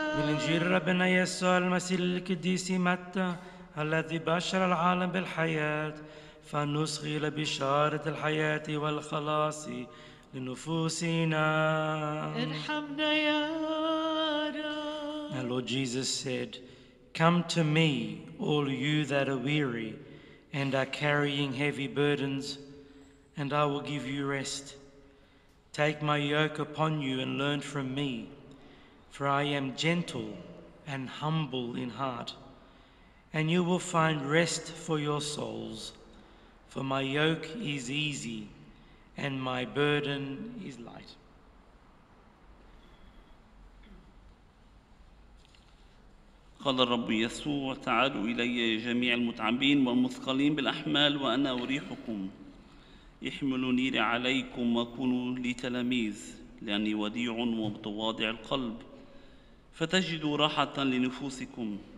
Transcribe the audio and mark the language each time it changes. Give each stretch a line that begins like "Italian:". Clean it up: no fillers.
Arabic: بالإنجيل ربنا يسوع المسيح القديس متى الذي بشر العالم بالحياة فنصغي لبشارة الحياة والخلاص لنفوسنا. ارحمنا يا رب.
English: Our Lord Jesus said, "Come to me, all you that are weary and are carrying heavy burdens, and I will give you rest. Take my yoke upon you and learn from me, for I am gentle and humble in heart, and you will find rest for your souls, for my yoke is easy and my burden is light."
Arabic: قال الرب يسوع: تعالوا إلي جميع المتعبين والمثقلين بالأحمال وأنا أريحكم. احملوا نيري عليكم وكونوا لي تلاميذ، لأني وديع ومتواضع القلب، فتجدوا راحة لنفوسكم.